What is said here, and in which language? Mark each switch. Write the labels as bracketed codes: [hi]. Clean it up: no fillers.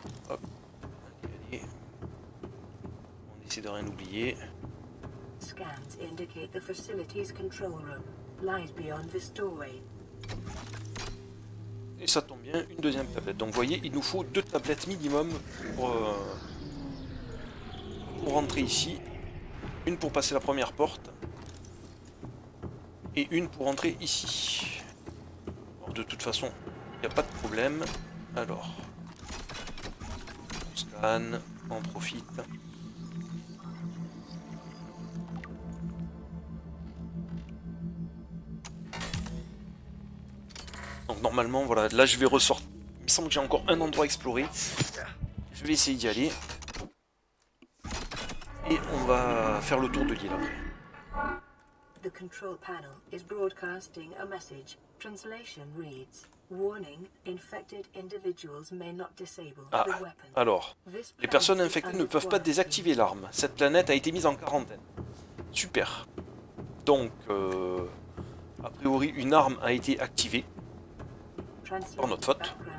[fr] Hop. Allez, allez. On essaie de rien oublier. [en] Scans indicate the facility's control room lies beyond this doorway. [fr] Et ça tombe bien, une deuxième tablette. Donc vous voyez, il nous faut deux tablettes minimum pour rentrer ici. Une pour passer la première porte. Et une pour rentrer ici. Alors, de toute façon, il n'y a pas de problème. Alors, on scanne, on profite. Donc normalement, voilà, là je vais ressortir. Il me semble que j'ai encore un endroit à explorer. Je vais essayer d'y aller. Et on va faire le tour de l'île après. [en] The control panel is broadcasting a message. Translation reads: warning, infected individuals may not disable the weapon. [fr] Alors, les personnes infectées ne peuvent pas désactiver l'arme. Cette planète a été mise en quarantaine. Super. Donc, a priori, une arme a été activée. pour notre faute.